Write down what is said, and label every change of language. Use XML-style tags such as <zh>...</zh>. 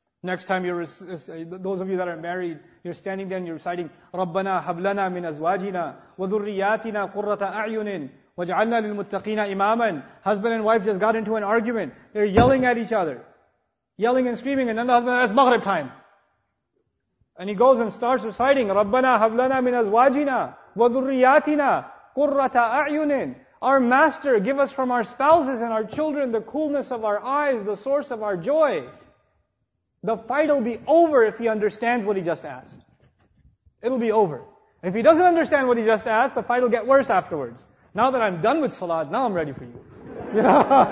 <en>Next time you're, those of you that are married, you're standing there and you're reciting,</en> <ar>رَبَّنَا هَبْلَنَا مِنْ أَزْوَاجِنَا وَذُرِّيَاتِنَا قُرَّةَ أَعْيُنٍ وَجْعَلْنَا لِلْمُتَّقِينَ إِمَامًا.</ar> <en>Husband and wife just got into an argument. They're yelling at each other. Yelling and screaming, and then the husband says, it's Maghrib time. And he goes and starts reciting,</en> <ar>رَبَّنَا هَبْلَنَا مِنْ أَزْوَاجِنَا وَذُرِّيَاتِنَا قُرَّةَ أَعْيُنٍ.</ar> <en>Our Master, give us from our spouses and our children the coolness of our eyes, the source of our joy. The fight will be over if he understands what he just asked. It'll be over. If he doesn't understand what he just asked, the fight will get worse afterwards. Now that I'm done with Salat, now I'm ready for you. You know?</en>